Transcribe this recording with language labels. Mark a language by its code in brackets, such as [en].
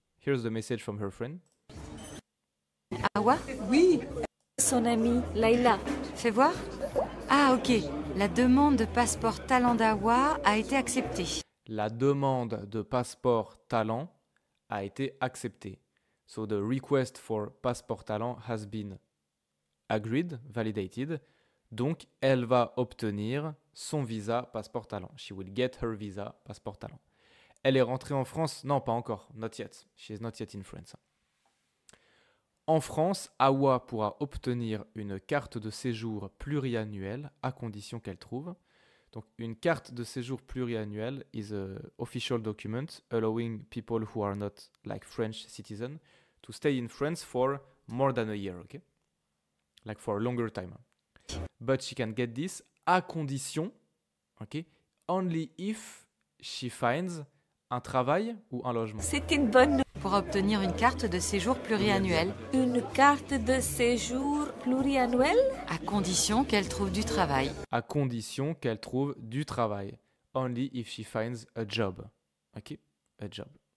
[en] Here's the message from her friend. Awa? [fr] Oui. Son amie, Layla. Fais voir. Ah, ok. La demande de passeport talent d'Awa a été acceptée. La demande de passeport talent a été acceptée. [en] So the request for passport talent has been agreed, validated. [fr] Donc, elle va obtenir son visa passeport talent. [en] She will get her visa [fr] passeport talent. Elle est rentrée en France. Non, pas encore. [en] Not yet. She is not yet in France. [fr] En France, Awa pourra obtenir une carte de séjour pluriannuelle à condition qu'elle trouve. [en] Donc, une carte de séjour pluriannuelle is an official document allowing people who are not like French citizens to stay in France for more than a year, okay? Like for a longer time. But she can get this à condition, okay? Only if she finds [fr] un travail ou un logement. C'est une bonne nouvelle. Pour obtenir une carte de séjour pluriannuelle. Une carte de séjour pluriannuelle? À condition qu'elle trouve du travail. À condition qu'elle trouve du travail. [en] Only if she finds a job. [fr] Ok? A job.